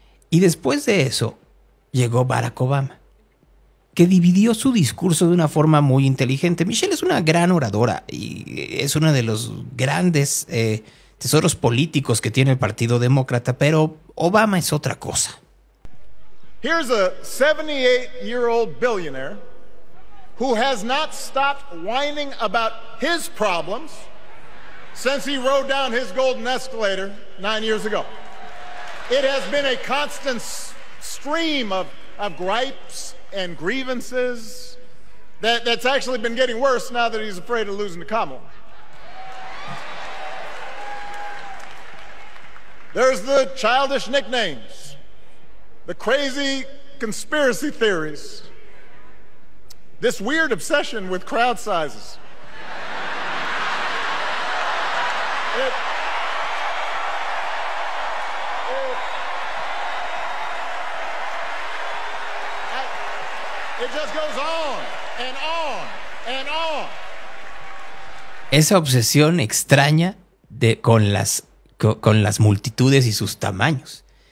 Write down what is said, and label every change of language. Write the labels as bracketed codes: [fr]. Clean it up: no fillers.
[es] Y después de eso, llegó Barack Obama, que dividió su discurso de una forma muy inteligente. Michelle es una gran oradora y es uno de los grandes tesoros políticos que tiene el Partido Demócrata, pero Obama es otra cosa. [en] Here's a 78-year-old billionaire who has not stopped whining about his problems since he rode down his golden escalator 9 years ago. It has been a constant stream of gripes and grievances that's actually been getting worse now that he's afraid of losing to Kamala. There's the childish nicknames, the crazy conspiracy theories, this weird obsession with crowd sizes. It just goes on and on and on. [es] Esa obsesión extraña de con las multitudes y sus tamaños.